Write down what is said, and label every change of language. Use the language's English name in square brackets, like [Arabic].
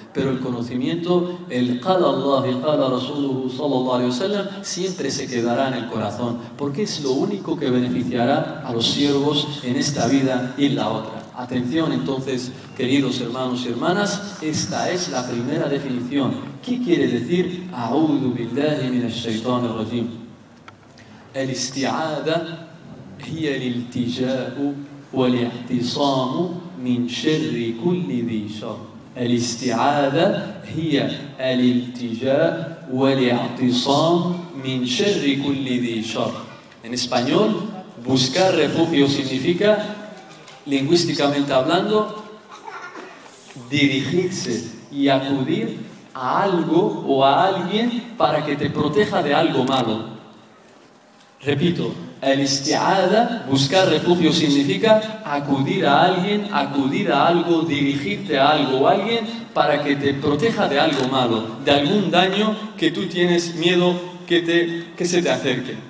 [Spanish] Pero el conocimiento, el qala Allah y qala Rasuluhu sallallahu alayhi wa sallam, siempre se quedará en el corazón, porque es lo único que beneficiará a los siervos en esta vida y en la otra. Atención entonces, queridos hermanos y hermanas, esta es la primera definición. ¿Qué quiere decir A'udhu billahi minash shaitanir rajim? El isti'adha [Arabic] هي الالتجاء والاعتصام من شر كل ذي شر. الاستعادة هي الالتجاء والاعتصام من شر كل ذي شر. [Spanish] En español, buscar refugio significa, lingüísticamente hablando, dirigirse y acudir a algo o a alguien para que te proteja de algo malo. Repito, al-isti'adha, buscar refugio, significa acudir a alguien, acudir a algo, dirigirte a algo o a alguien para que te proteja de algo malo, de algún daño que tú tienes miedo que se te acerque.